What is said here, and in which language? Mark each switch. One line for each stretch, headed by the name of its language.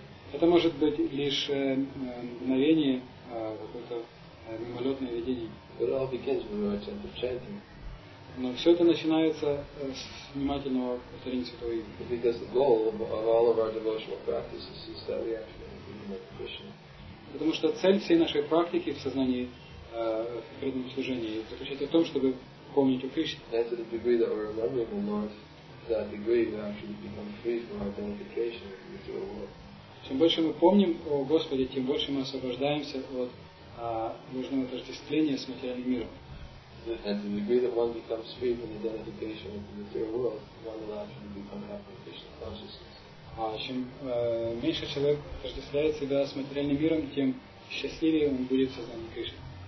Russian: Это может быть лишь мгновение, какое-то мимолетное видение.
English: It all begins with the attempt of chanting.
Russian: Но все это начинается с внимательного повторения Святого Имени.
English: Because the goal of all of our devotional practices is that we actually be more Krishna.
Russian: Потому что цель всей нашей практики в сознании преданном служении заключается в том, чтобы помнить о Кришне.
English: That to the degree that we're remembering the Lord, to that degree we actually become free from our identification with the material world.
Russian: Чем больше мы помним о Господе, тем больше мы освобождаемся от нужного отождествления с материальным миром.
English: And to the degree that one becomes free from identification with the material world, one will actually become happy with Krishna consciousness.
Russian: А чем меньше человек отождествляет себя с материальным миром, тем счастливее он будет в сознании Кришны.